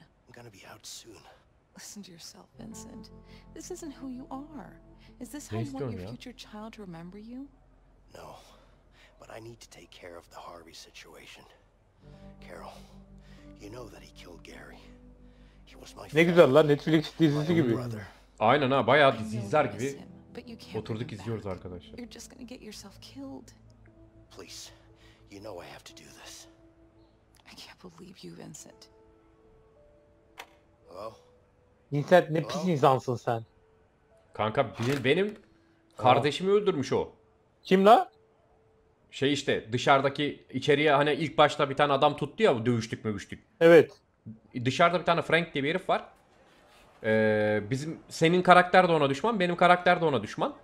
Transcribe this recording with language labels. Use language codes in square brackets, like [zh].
[en] I'm gonna be out soon. Listen to yourself, Vincent. This isn't who you are. Is this how you want your future child to remember you? No. But I need to take care of the Harvey situation. Carol, you know that he killed Gary. He was my [tr] Ne güzel lan, Netflix dizisi gibi. Aynen ha, bayağı dizi izler gibi. Oturduk izliyoruz arkadaşlar. [en] You're just gonna get yourself killed. Please, you know I have to do this. I can't believe you, Vincent. Hello? [tr] Vincent, ne pis insansın sen. Kanka, benim kardeşimi öldürmüş o. Kim la? Şey işte, dışarıdaki içeriye hani ilk başta bir tane adam tuttu ya, dövüştük mövüştük. Evet. Dışarıda bir tane Frank diye bir herif var. Bizim senin karakter de ona düşman, benim karakter de ona düşman.